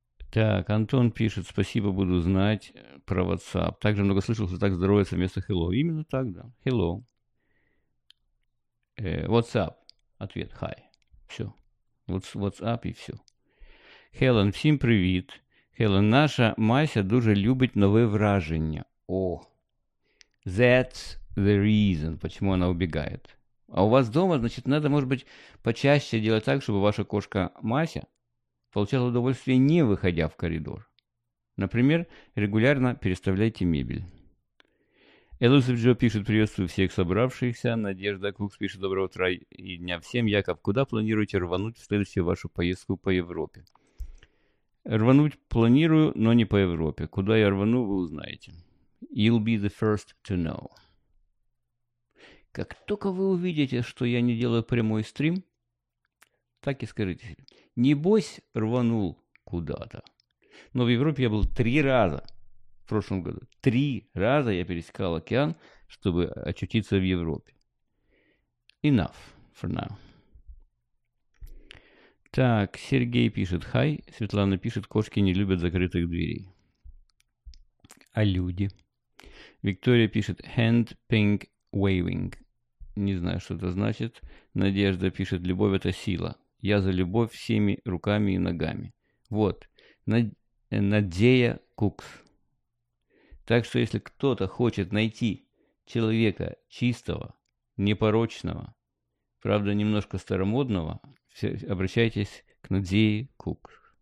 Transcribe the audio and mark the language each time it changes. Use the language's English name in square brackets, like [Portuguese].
[Russian] Так, Антон пишет, спасибо, буду знать про WhatsApp. Также много слышал, что так здоровается вместо hello. Именно так, да. Hello. WhatsApp. Ответ, hi. Все. WhatsApp и все. [Ukrainian] Хелен, всім привіт. Хелен, наша Мася дуже любить нове враження. [Russian] О, [English] that's the reason, [Russian] почему она убегает. А у вас дома, значит, надо, может быть, почаще делать так, чтобы ваша кошка Мася получал удовольствие, не выходя в коридор. Например, регулярно переставляйте мебель. Элизабет Джо пишет: приветствую всех собравшихся. Надежда Кукс пишет: доброе утро и дня всем. Яков, куда планируете рвануть в следующую вашу поездку по Европе? Рвануть планирую, но не по Европе. Куда я рвану, вы узнаете. [English] You'll be the first to know. [Russian] Как только вы увидите, что я не делаю прямой стрим, так и скажите себе: небось рванул куда-то. Но в Европе я был 3 раза в прошлом году. 3 раза я пересекал океан, чтобы очутиться в Европе. [English] Enough for now. [Russian] Так, Сергей пишет: хай. Светлана пишет: кошки не любят закрытых дверей. А люди? Виктория пишет: [English] hand pink waving. [Russian] Не знаю, что это значит. Надежда пишет: любовь – это сила. Я за любовь всеми руками и ногами. Вот. Надея Кукс. Так что, если кто-то хочет найти человека чистого, непорочного, правда, немножко старомодного, обращайтесь к Надее Кукс.